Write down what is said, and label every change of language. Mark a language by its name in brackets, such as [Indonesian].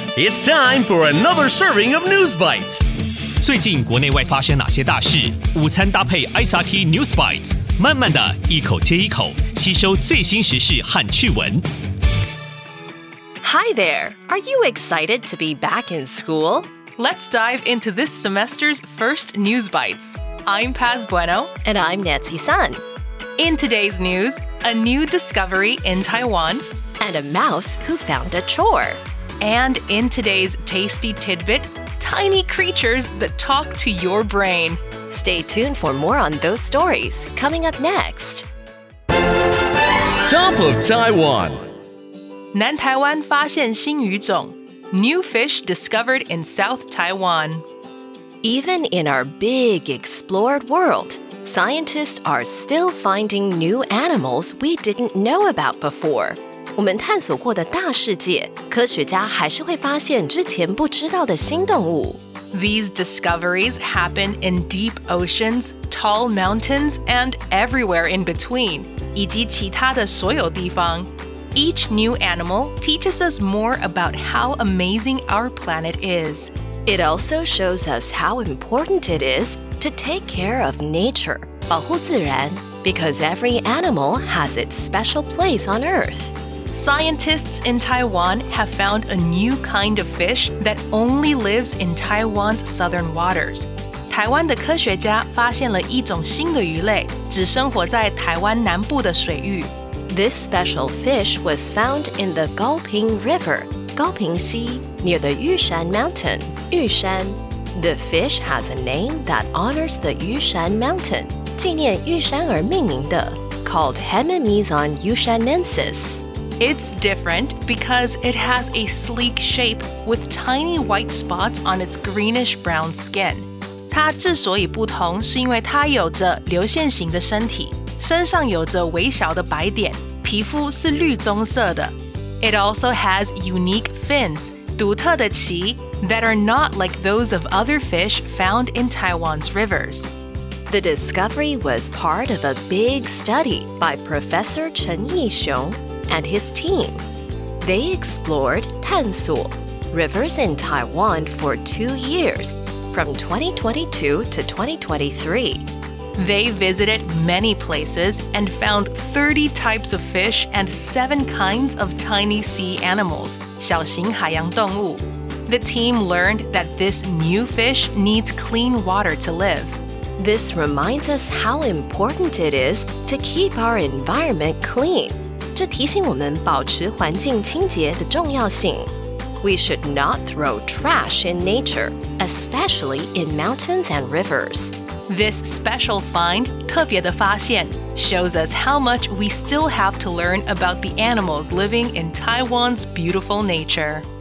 [English] It's time for another serving of News Bites. [Chinese] 最近国内外发生哪些大事？午餐搭配 SRT News Bites， 慢慢的一口接一口，吸收最新时事和趣闻。 [English] Hi there, are you excited to be back in school? Let's dive into this semester's first News Bites. I'm Paz Bueno. And I'm Nancy Sun. In today's news, a new discovery in Taiwan. And a mouse who found a chore. And in today's Tasty Tidbit, tiny creatures that talk to your brain. Stay tuned for more on those stories, coming up next. Top of Taiwan. [Chinese] 南台湾发现新鱼种 [English] New fish discovered in South Taiwan. Even in our big explored world, scientists are still finding new animals we didn't know about before. [Chinese] 我们探索过的大世界，科学家还是会发现之前不知道的新动物。 [English] These discoveries happen in deep oceans, tall mountains, and everywhere in between, [Chinese] 以及其他的所有地方。 [English] Each new animal teaches us more about how amazing our planet is. It also shows us how important it is to take care of nature, [Chinese] 保护自然, [English] because every animal has its special place on Earth. Scientists in Taiwan have found a new kind of fish that only lives in Taiwan's southern waters. [Chinese] 台湾的科学家发现了一种新的鱼类，只生活在台湾南部的水域。 [English] This special fish was found in the Kaoping River, Kaoping Sea, near the Yushan Mountain, Yushan. The fish has a name that honors the Yushan Mountain, [Chinese] 纪念玉山而命名的, [English] called Hemimyzon yushanensis. It's different because it has a sleek shape with tiny white spots on its greenish-brown skin. [Chinese] 它之所以不同是因为它有着流线型的身体。身上有着微小的白点，皮肤是绿棕色的。 [English] It also has unique fins, [Chinese] 独特的鳍 [English] that are not like those of other fish found in Taiwan's rivers. The discovery was part of a big study by Professor Chen I-shiung and his team. They explored [Chinese] 探索 [English] rivers in Taiwan for 2 years, from 2022 to 2023. They visited many places and found 30 types of fish and 7 kinds of tiny sea animals, [Chinese] 小型海洋动物。 [English] The team learned that this new fish needs clean water to live. This reminds us how important it is to keep our environment clean. [Chinese] 这提醒我们保持环境清洁的重要性。 [English] We should not throw trash in nature, especially in mountains and rivers. This special find, [Chinese] 特别的发现, [English] shows us how much we still have to learn about the animals living in Taiwan's beautiful nature.